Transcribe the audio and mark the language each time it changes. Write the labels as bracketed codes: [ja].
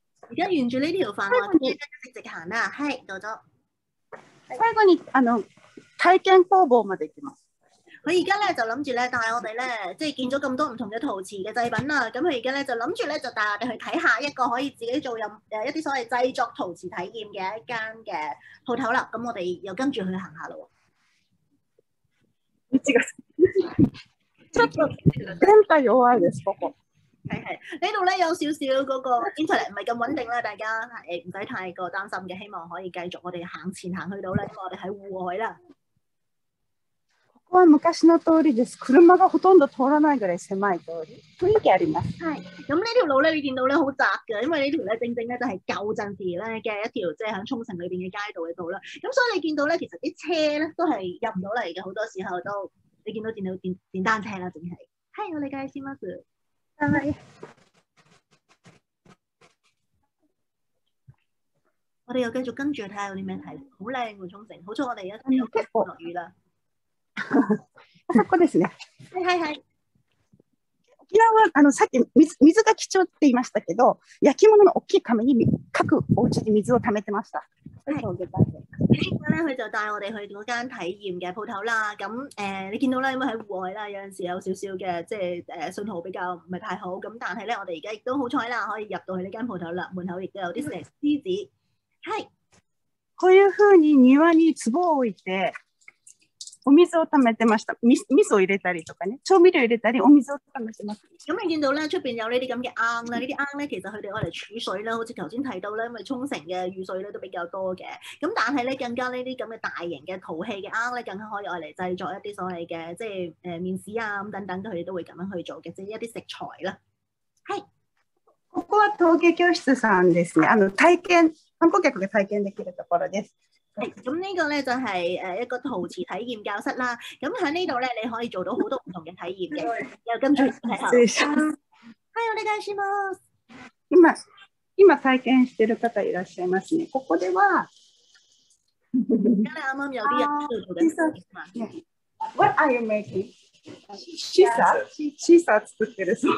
[yue] 而家沿住呢條範圍直行啦，係，到咗。 [ja] 最後に体験工房まで行きます。 [yue] 佢而家咧就諗住咧帶我哋咧，即係見咗咁多唔同嘅陶瓷嘅製品啦。咁佢而家咧就諗住咧就帶我哋去睇下一個可以自己做任一啲所謂製作陶瓷體驗嘅一間嘅鋪頭啦。咁我哋又跟住去行下咯。唔知噶， [ja] ちょっと電波弱いですここ。 [yue] 係係，呢度咧有少少嗰個 internet 唔係咁穩定啦，大家唔使太過擔心嘅，希望可以繼續我哋行前行去到咧，我哋喺户外啦。 [ja] ここは昔の通りです。車がほとんど通らないぐらい狭い通り。雰囲気あります。 [yue] はい。咁呢條路咧，你見到咧好窄嘅，因為呢條咧正正咧就係舊陣時咧嘅一條即係喺沖繩裏邊嘅街道嘅道啦。咁所以你見到咧，其實啲車咧都係入唔到嚟嘅，好多時候都你見到電腦電單車啦，淨係。係，我理解先啦，佢。係。我哋又繼續跟住睇下有啲咩睇，好靚喎沖繩，好彩我哋而家有結果落雨啦。 [ja] そこですね。はいはいはい。沖縄はさっき 水が貴重って言いましたけど、焼き物の大きい紙に各お家に水を貯めてました。はい。 [yue] 佢就帶我哋去嗰間體驗嘅鋪頭啦。咁你見到啦，因為喺户外啦，有陣時有少少嘅即係信號比較唔係太好。咁但係咧，我哋而家亦都好彩啦，可以入到去呢間鋪頭啦。門口亦都有啲石獅子。係。 [ja] こういうふうに庭に壺を置いて。お水を貯めてました。味噌を入れたりとかね、調味料入れたりお水を貯めてます。 [yue] 咁你見到咧，出邊有呢啲咁嘅鵪啦，呢啲鵪咧，其實佢哋愛嚟儲水啦，好似頭先提到咧，因為沖繩嘅雨水咧都比較多嘅。咁但係咧，更加呢啲咁嘅大型嘅陶器嘅鵪咧，更加可以愛嚟製作一啲所謂嘅即係面豉啊咁等等，佢哋都會咁樣去做嘅，即係一啲食材啦。係。 [ja] ここは陶芸教室さんですね。体験、観光客が体験できるところです。 [yue] 咁呢個咧就係一個陶瓷體驗教室啦。咁喺呢度咧，你可以做到好多唔同嘅體驗嘅。又跟住係啊， [ja] はい、お願いします。今体験してる方いらっしゃいますね。ここでは、今ね、あんまよりやってる [en] ので。 What are you making? [ja] シーサー、シーサー作ってるそう